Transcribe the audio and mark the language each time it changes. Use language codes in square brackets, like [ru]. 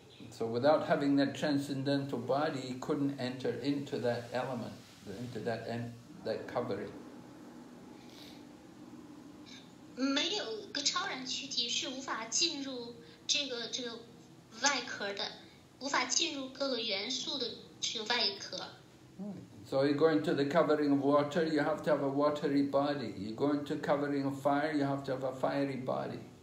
[en] So without having that transcendental body, he couldn't enter into that element, into that covering. [zh] 没有个超然躯体是无法进入这个外壳的，无法进入各个元素的这个外壳。 [en] So you go into the covering of water, you have to have a watery body. You go into covering of fire, you have to have a fiery body.